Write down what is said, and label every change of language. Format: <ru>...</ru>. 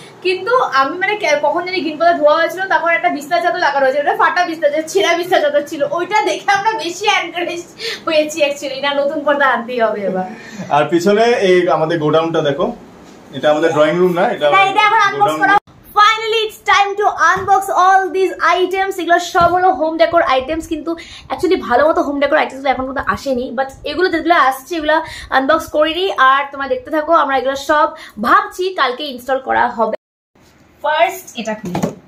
<bn>কিন্তু আমি মানে কখন যদি গ্রিন পর্দা ধোয়া হয়েছিল তখন একটা বিস্তার চাদর লাগানো হয়েছিল, ওটা ফাটা বিস্তার চাদর, ছেঁড়া বিস্তার চাদর ছিল, ওইটা দেখে আমরা বেশি এনকারেজ হয়েছি অ্যাকচুয়ালি না, নতুন পর্দা আনতেই হবে এবার। আর পিছনে এই আমাদের গোডাউনটা দেখো, এটা আমাদের ড্রয়িং রুম না, এটা এখন আনবক্স করা।</bn> <en>Finally, it's time to unbox all these items.</en> <bn>এগুলো সব হলো হোম ডেকোর আইটেমস, কিন্তু অ্যাকচুয়ালি ভালো মতো হোম ডেকোর আইটেমস এখন পর্যন্ত আসেনি, বাট এগুলো যেগুলো আসছে এগুলো আনবক্স করিনি। আর তোমরা দেখতে থাকো, আমরা এগুলো সব ভাবছি কালকে ইনস্টল করা হবে। ফার্স্ট এটা খুলি,</bn>